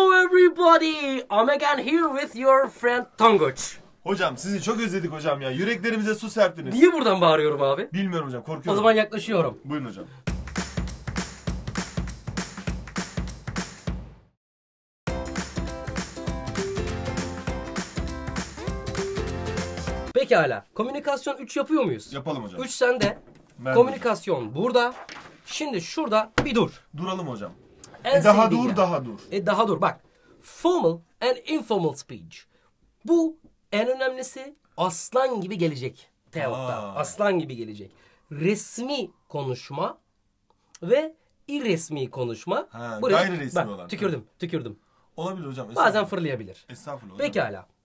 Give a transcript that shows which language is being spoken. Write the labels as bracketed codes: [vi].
[en] Everybody, I'm again here with your friend Tonguç. [tr] Hocam sizi çok özledik hocam ya. Yüreklerimize su serptiniz. Niye buradan bağırıyorum abi? Bilmiyorum hocam, korkuyorum. O zaman yaklaşıyorum. Buyurun hocam. Pekala. Komünikasyon 3 yapıyor muyuz? Yapalım hocam. 3 sende. Ben komünikasyon de. Burada. Şimdi şurada bir dur. Duralım hocam. Daha dur. Daha dur. Bak. [en] Formal and informal speech. [tr] Bu en önemlisi aslan gibi gelecek. Teot'ta. Aslan gibi gelecek. Resmi konuşma ve irresmi konuşma. Ha, buraya, gayri resmi bak, olan. Tükürdüm, evet. Tükürdüm. Olabilir hocam. Bazen fırlayabilir. Estağfurullah. Pekala.